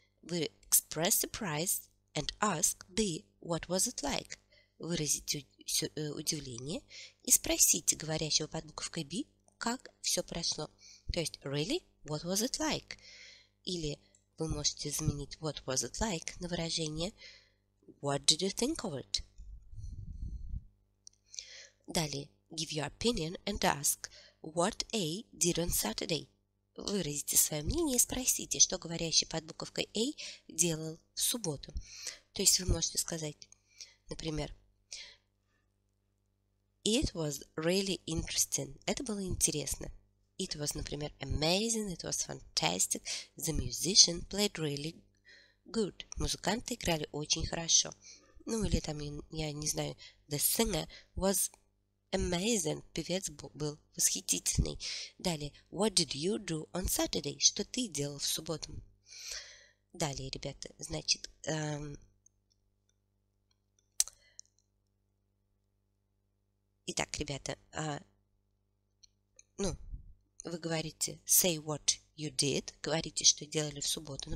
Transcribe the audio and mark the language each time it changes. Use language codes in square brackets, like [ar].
[en] We express surprise and ask B, what was it like? [ru] Выразите удивление и спросите говорящего под буквой B, как все прошло. То есть, [en] really? What was it like? [ru] Или вы можете заменить [en] what was it like [ru] на выражение [en] what did you think of it? [ru] Далее, [en] give your opinion and ask what A did on Saturday. [ru] Выразите свое мнение и спросите, что говорящий под буковкой A делал в субботу. То есть вы можете сказать, например, [en] it was really interesting. [ru] Это было интересно. [en] It was, например, amazing, it was fantastic, the musician played really good. [ru] Музыканты играли очень хорошо. Ну, или там, я не знаю, [en] the singer was amazing, [ru] певец был восхитительный. Далее, [en] what did you do on Saturday? [ru] Что ты делал в субботу? Далее, ребята, значит, итак, ребята, вы говорите [en] say what you did, [ru] говорите, что делали в субботу.